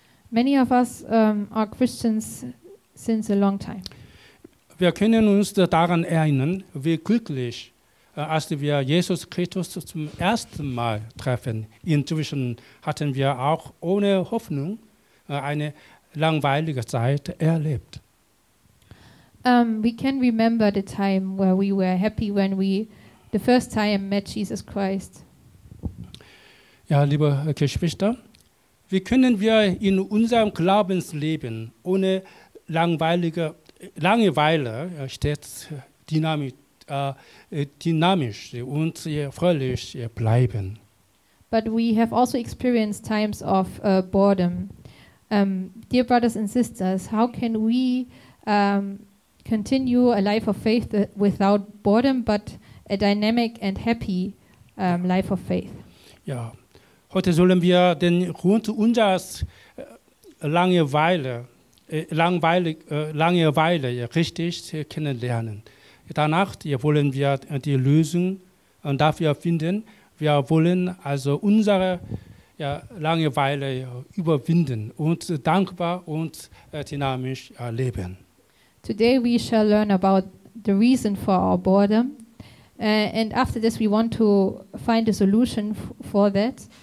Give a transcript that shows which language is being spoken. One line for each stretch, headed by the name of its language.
English: Many of us are Christians since a long time.
German: Wir können uns daran erinnern, wie glücklich, als wir Jesus Christus zum ersten Mal treffen. Inzwischen hatten wir auch ohne Hoffnung eine langweilige Zeit erlebt.
English: We can remember the time where we were happy when we the first time met Jesus Christ.
German: Ja, liebe Geschwister, wie können wir in unserem Glaubensleben ohne Langeweile stets dynamisch und fröhlich bleiben?
English: But we have also experienced times of boredom. Dear brothers and sisters, how can we continue a life of faith without boredom, but a dynamic and happy life of faith?
German: Ja, heute sollen wir den Grund unseres Langeweile richtig kennenlernen. Danach wollen wir die Lösung dafür finden. Wir wollen also unsere Langeweile überwinden und dankbar und dynamisch leben.
English: Today we shall learn about the reason for our boredom. And after this we want to find a solution for that.